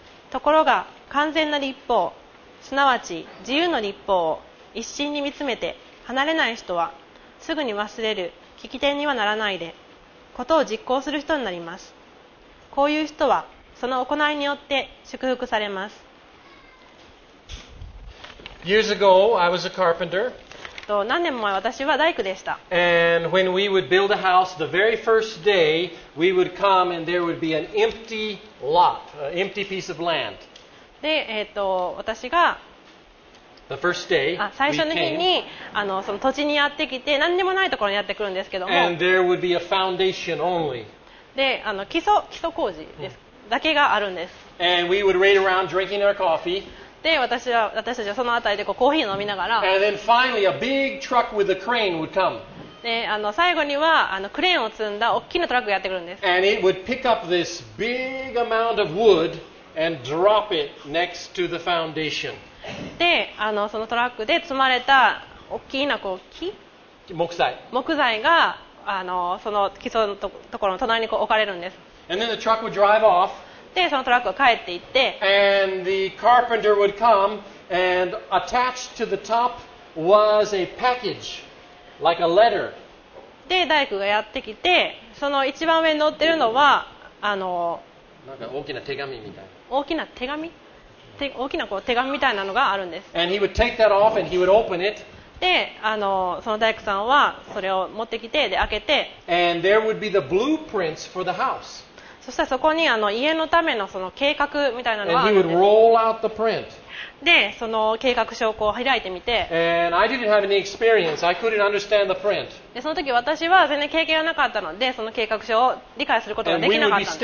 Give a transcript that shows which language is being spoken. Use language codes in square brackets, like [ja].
[ja] ところが完全な律法、すなわち自由の律法を一心に見つめて離れない人はすぐに忘れる聞き手にはならないで、ことを実行する人になります。こういう人はその行いによって祝福されます。 [en] Years ago, I was a carpenter. [ja] 何年も前私は大工でした。 [en] And when we would build a house, the very first day we would come and there would be an empty lot, an empty piece of land. [ja] で、私が [en] The first day, [ja] 最初の日にその土地にやってきて何にもないところにやってくるんですけども、 [en] And there would be a foundation only. [ja] で基礎工事です、だけがあるんです。 [en] And we would wait around drinking our coffee. [ja] で私たちはその辺りでこうコーヒーを飲みながら、 [en] And then finally a big truck with a crane would come. [ja] で最後にはクレーンを積んだ大きなトラックがやってくるんです。 [en] And it would pick up this big amount of wood and drop it next to the foundation. [ja] でそのトラックで積まれた大きなこう木、木材がその基礎のところの隣にこう置かれるんです。 [en] And then the truck would drive off. [ja] でそのトラックは帰っていって、 [en] And the carpenter would come, and attached to the top was a package, like a letter. [ja] で大工がやってきて、その一番上に載ってるのはなんか大きな手紙みたいな、大きな手紙、大きなこう手紙みたいなのがあるんです。 [en] And he would take that off and he would open it. [ja] でその大工さんはそれを持ってきて、で開けて、 [en] And there would be the blueprints for the house. [ja] そしたらそこに家のため の, その計画みたいなのがあるんです。 [en] And he would roll out the print. [ja] でその計画書をこう開いてみて、 [en] And I didn't have any experience. I couldn't understand the print. [ja] でその時私は全然経験がなかったので、その計画書を理解することができなかったんです。